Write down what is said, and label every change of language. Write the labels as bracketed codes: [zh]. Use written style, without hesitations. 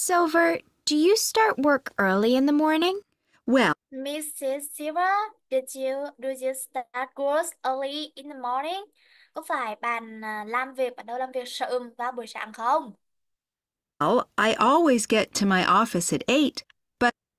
[en] Silver, do you start work early in the morning? Well, Mrs. Silver, do you start work early in the morning? [vi] Có phải bạn làm việc, bạn đâu làm việc sớm vào buổi sáng không? [en] Well, I always get to my office at 8, but